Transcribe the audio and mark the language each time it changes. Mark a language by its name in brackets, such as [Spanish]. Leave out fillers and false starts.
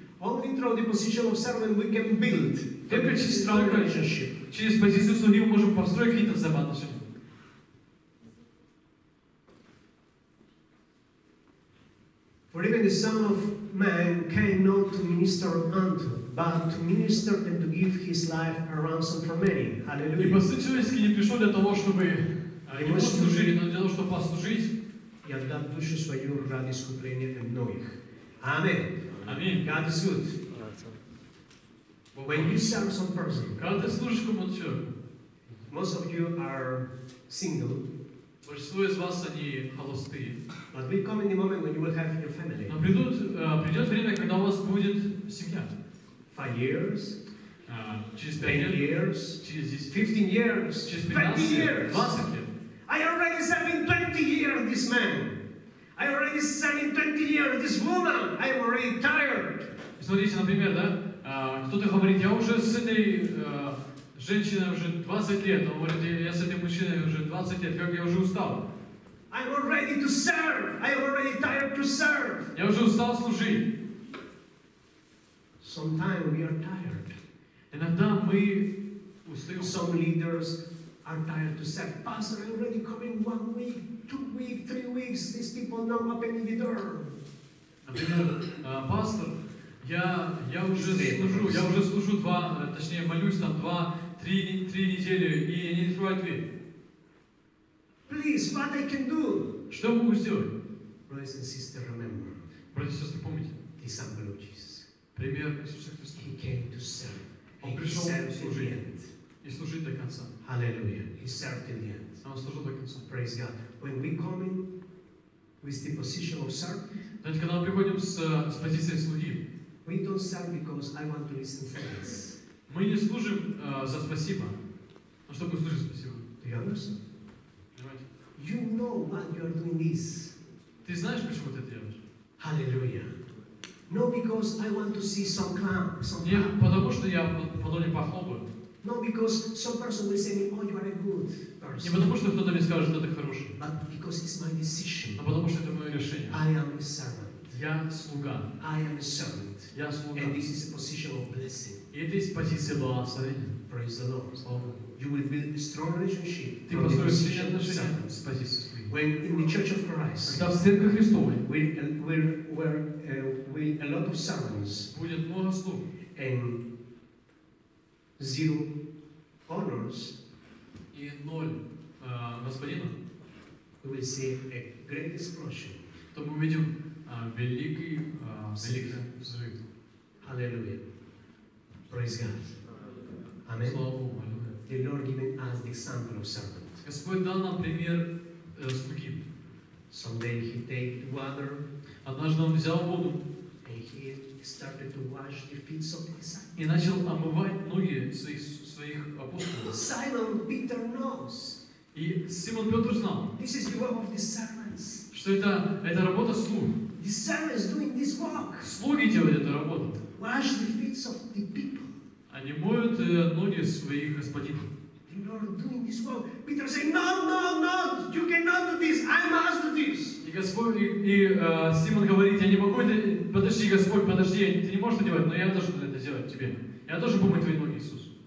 [English] Only through the position of servant we can build. [Russian] Только через [English] strong relationship. [Russian] Через позицию слуги мы можем построить какие-то взаимоотношения. [English] For even the Son of Man came not to minister unto, but to minister and to give his life a ransom for many. Hallelujah. [Russian] И посыл человеческий не пришел для того, чтобы ему служили, но для того, чтобы послужить. И отдать душу свою ради искупления многих. [English] Amen. Amen. God is good. But when you serve some person, God is [Russian] служишь кому-то человеку. [English] Most of you are single. [Russian] Большинство из вас они холостые. [English] But we come in the moment when you will have your family. [Russian] Но придет время, когда у вас будет семья. [English] 5 years. [Russian] Через [English] 5 years. [Russian] Через [English] 15 years. [Russian] Через [English] 15 years. [Russian] 20 лет. [English] I already serving 20 years this man. I already serving 20 years this woman. I am already tired. [Russian] Смотрите, например, да? Кто-то говорит, я уже с этой женщиной уже 20 лет. Он говорит, я с этим мужчиной уже 20 лет. Как я уже устал. I am already to serve. I am already tired to serve. Я уже устал служить. [English] Sometimes we are tired. [Russian] Иногда мы устаем. [English] Some leaders are tired to serve. Pastor, I already coming 1 week. 2 weeks, 3 weeks, these people now opening the door. [Russian] Pastor, я уже служу, я уже служу два, точнее молюсь там три недели и не открывают дверь. [English] Please, what I can do? [Russian] Что могу сделать? [English] Brothers and sisters, remember. [Russian] Братья и сестры, помните. [English] The example of Jesus. [Russian] Пример Иисуса Христа. [English] He came to serve. [Russian] Он пришел служить. И служить до конца. [English] Hallelujah. He served till the end. [Russian] Он служил до конца. [English] Praise God. When we come in with the position of servant, [Russian] когда мы приходим с позиции слуги, [English] we don't serve because I want to listen to this. [Russian] Мы не служим за спасибо, но чтобы услышать спасибо. [English] Do you understand? You know why you are doing this. [Russian] Ты знаешь, почему ты это делаешь? [English] Hallelujah. No, because I want to see some clown. [Russian] Не, потому что я подобный похлопаю. [English] Not because some person will say, "Oh, you are a good person." [Russian] Не потому что кто-то мне скажет, что ты хороший. [English] But because it's my decision. [Russian] А потому что это мое решение. [English] I am a servant. [Russian] Я слуга. [English] I am a servant. [Russian] Я слуга. [English] And this is a position of blessing. [Russian] И это есть позиция благословения. [English] Praise the Lord. [Russian] Слава Богу. [English] You will build a strong relationship. [Russian] Ты построишь сильные отношения с позиции слуги. [English] When in the Church of Christ. [Russian] Когда в Церкви Христовой. [English] With a lot of servants. [Russian] Будет много слуг. [English] And zero honors. [Russian] И ноль господина. [English] We will see a great explosion. [Russian] То мы увидим великий взрыв. [English] Hallelujah. Praise God. Amen. [Russian] Слава Богу. Hallelujah. [English] The Lord giving us the example of servant. [Russian] Господь дал нам пример слуги. [English] Someday he take water. [Russian] Однажды он взял воду. [English] He started to wash the feet of his disciples. [Russian] И начал омывать ноги своих апостолов. [English] Simon Peter knows. [Russian] И Симон Петр знал. [English] This is the work of the servants. [Russian] Что это работа слуг. [English] The servant is doing this work. [Russian] Слуги делают эту работу. [English] Wash the feet of the people. [Russian] Они моют ноги своих господинов. [English] The Lord doing this work. Peter says, no, no, no, you cannot do this. I must do this. [Russian] И Господь Симон говорит, я не могу это. Подожди, Господь, подожди, ты не можешь это делать, но я должен это сделать тебе. Я должен помыть твои ноги, Иисус.